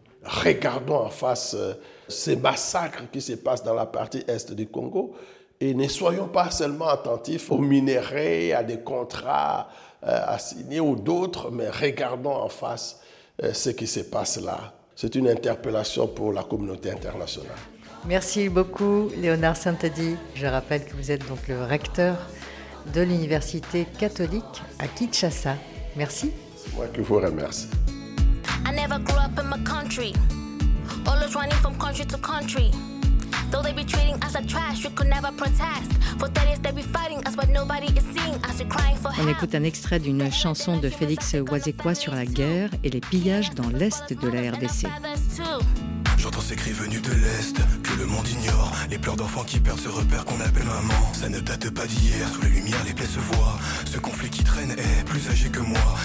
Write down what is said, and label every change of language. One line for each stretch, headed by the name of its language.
French: Regardons en face ces massacres qui se passent dans la partie est du Congo et ne soyons pas seulement attentifs aux minerais, à des contrats à signer ou d'autres, mais regardons en face ce qui se passe là. C'est une interpellation pour la communauté internationale. Merci beaucoup, Léonard Saint-Adi. Je rappelle que vous êtes donc le recteur de l'Université catholique à Kinshasa. Merci. C'est moi qui vous remercie.
English: I never grew up in my country. Always running from country to country. Though they be treating us like trash, you could never protest. For 30 years they be fighting us, but nobody is seeing us. You're crying for help.
French: On écoute un extrait d'une chanson de Félix Wazekwa sur la guerre et les pillages dans l'est de la RDC. J'entends ces cris venus de l'Est, que le monde ignore. Les pleurs d'enfants qui perdent ce repère qu'on appelle maman. Ça ne date pas d'hier, sous les lumières les plaies se voient. Ce conflit qui traîne est plus âgé que moi.